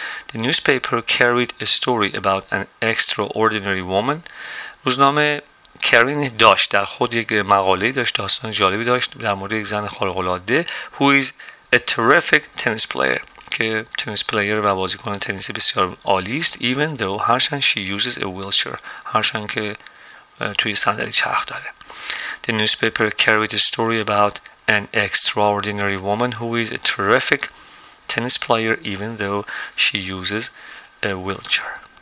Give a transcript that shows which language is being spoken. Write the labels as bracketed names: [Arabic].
[English] The newspaper carried a story about an extraordinary woman. [Persian] روزنامه کرین داشت, در خود یک مقاله داشت, داستان جالبی داشت در مورد یک زن خارق‌العاده, [English] who is a terrific tennis player. [Persian] که تنیس پلیر و بازیکن تنیس بسیار عالی است, [English] even though [Persian] هرچند [English] she uses a wheelchair, [Persian] هرچند که توی صندلی چرخ داره. [English] The newspaper carried a story about an extraordinary woman who is a terrific tennis player even though she uses a wheelchair.